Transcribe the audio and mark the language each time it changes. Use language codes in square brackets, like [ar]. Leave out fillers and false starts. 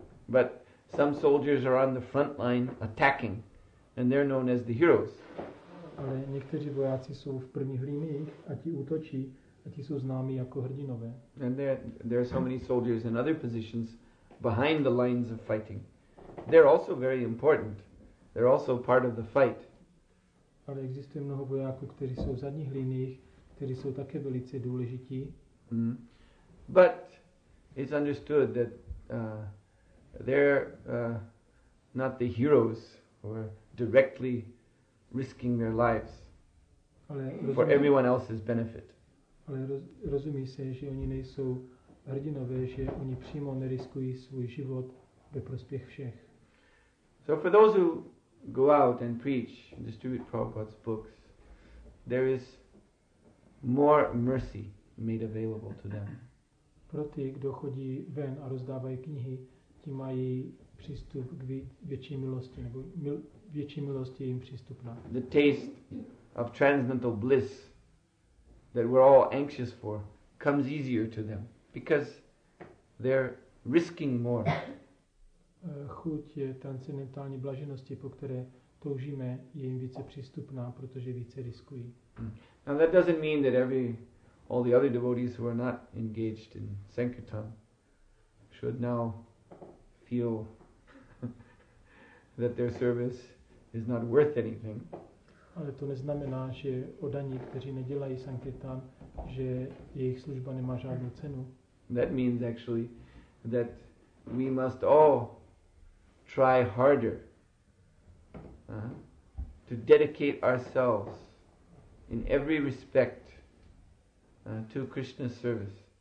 [en] But some soldiers are on the front line attacking and they're known as the heroes. [cs] Ale někteří vojáci jsou v první linii a ti útočí a ti jsou známí jako hrdinové. [en] And there are so many soldiers in other positions behind the lines of fighting. They're also very important. They're also part of the fight. [cs] Ale existuje mnoho vojáků, kteří jsou v zadních liniích, kteří jsou také velice důležití. Mm. [en] But it's understood that they're not the heroes who are directly risking their lives for everyone else's benefit. [cs] Ale rozumí se, že oni nejsou hrdinové, že oni přímo neriskují svůj život ve prospěch všech. [en] So for those who go out and preach and distribute Prabhupada's books, there is more mercy made available to them. [cs] Pro ty, kdo chodí ven a rozdávají knihy, ti mají přístup k větší milosti, nebo větší milosti jim přístupná. [en] The taste of transcendental bliss that we're all anxious for comes easier to them because they're risking more. [cs] Chuť transcendentální blaženosti, po které toužíme, je jim více přístupná, protože více riskují. [en] Now that doesn't mean that all the other devotees who are not engaged in sankirtan should now feel that their service is not worth anything. [cs] Ale to neznamená, že odaní, kteří nedělají sankirtan, že jejich služba nemá žádnou cenu. [en] That means actually that we must all try harder to dedicate ourselves in every respect to Krishna's service.